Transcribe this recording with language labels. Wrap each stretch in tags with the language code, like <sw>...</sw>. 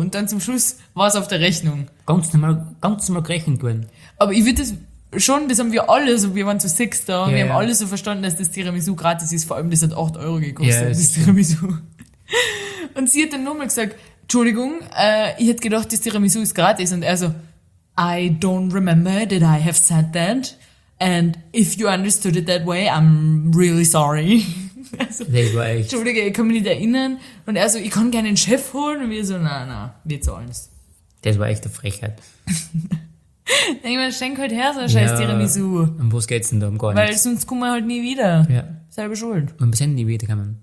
<de>Und dann zum Schluss war es auf der Rechnung. Ganz normal gerechnet worden. Aber ich würde das schon, das haben wir alle so, wir waren zu sechs da, ja, wir haben alle so verstanden, dass das Tiramisu gratis ist, vor allem das hat 8 Euro gekostet, ja, das Tiramisu. Und sie hat dann nochmal gesagt, Entschuldigung, ich hätte gedacht, das Tiramisu ist gratis.</de> <en>Und er so, I don't remember that I have said that. And if you understood it that way, I'm really sorry.</en> <de>Also, das war echt. Entschuldige, ich kann mich nicht erinnern. Und er so, ich kann gerne einen Chef holen. Und wir so, nein, wir zahlen es. Das war echt eine Frechheit. Dann ich mir, schenk halt her, so ein scheiß Tiramisu. Und was geht's denn da? Um gar nichts. Weil sonst kommen wir halt nie wieder. Ja. Selbe Schuld. Und wir sind nie wieder gekommen.</de>